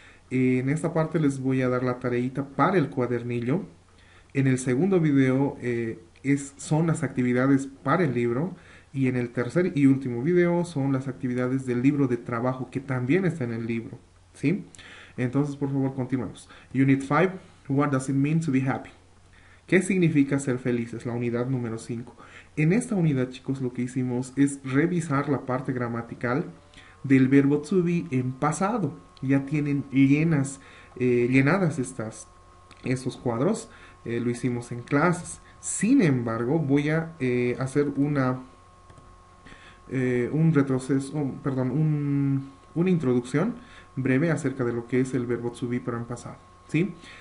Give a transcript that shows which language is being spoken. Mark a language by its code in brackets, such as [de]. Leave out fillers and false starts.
[es] En esta parte les voy a dar la tareita para el cuadernillo. En el segundo video son las actividades para el libro. Y en el tercer y último video son las actividades del libro de trabajo, que también está en el libro, ¿sí? Entonces, por favor, continuemos. [en] Unit 5, what does it mean to be happy? [es] ¿Qué significa ser felices? La unidad número 5. En esta unidad, chicos, lo que hicimos es revisar la parte gramatical del verbo to be en pasado. Ya tienen llenadas estos cuadros. Lo hicimos en clases. Sin embargo, voy a hacer una introducción breve acerca de lo que es el verbo to be pero en pasado, ¿sí?